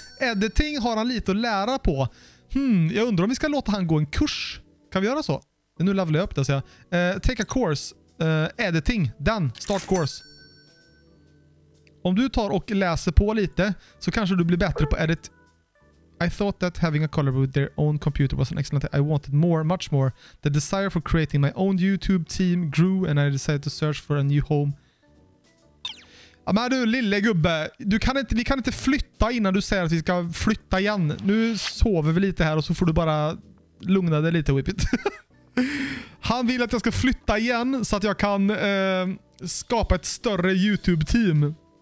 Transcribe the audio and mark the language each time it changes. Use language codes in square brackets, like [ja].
[sv] Editing har han lite att lära på. Jag undrar om vi ska låta han gå en kurs. Kan vi göra så? Nu levelar jag upp det, säger jag. [en] Take a course. Editing. Den. Start course. [sv] Om du tar och läser på lite så kanske du blir bättre på edit. [en] I thought that having a collab with their own computer was an excellent idea. I wanted more, much more. The desire for creating my own YouTube team grew and I decided to search for a new home. [sv] Ja, men du, lille gubbe. Vi kan inte flytta innan du säger att vi ska flytta igen. Nu sover vi lite här och så får du bara lugna dig lite, Whippet. Han vill att jag ska flytta igen så att jag kan skapa ett större YouTube-team.